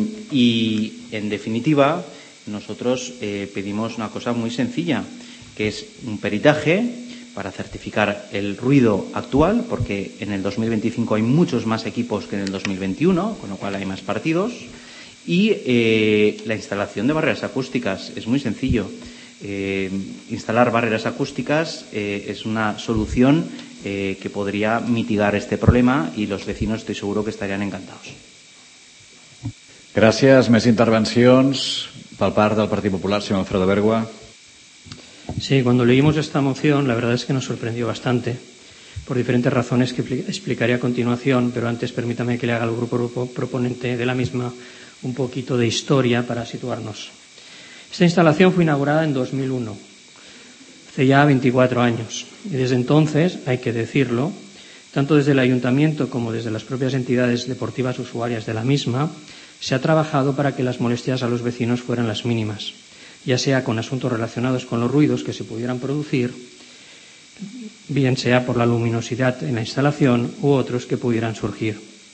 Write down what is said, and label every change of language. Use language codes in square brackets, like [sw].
[es] Y, en definitiva, nosotros pedimos una cosa muy sencilla, que es un peritaje para certificar el ruido actual, porque en el 2025 hay muchos más equipos que en el 2021, con lo cual hay más partidos, y la instalación de barreras acústicas. Es muy sencillo. Instalar barreras acústicas es una solución que podría mitigar este problema y los vecinos estoy seguro que estarían encantados. [ca] Gràcies. Més intervencions pel part del Partit Popular, senyor Alfredo Bergua. [es] Sí, cuando leímos esta moción, la verdad es que nos sorprendió bastante, por diferentes razones que explicaré a continuación, pero antes permítame que le haga al grupo proponente de la misma un poquito de historia para situarnos. Esta instalación fue inaugurada en 2001, hace ya 24 años, y desde entonces, hay que decirlo, tanto desde el Ayuntamiento como desde las propias entidades deportivas usuarias de la misma, se ha trabajado para que las molestias a los vecinos fueran las mínimas, ya sea con asuntos relacionados con los ruidos que se pudieran producir, bien sea por la luminosidad en la instalación u otros que pudieran surgir.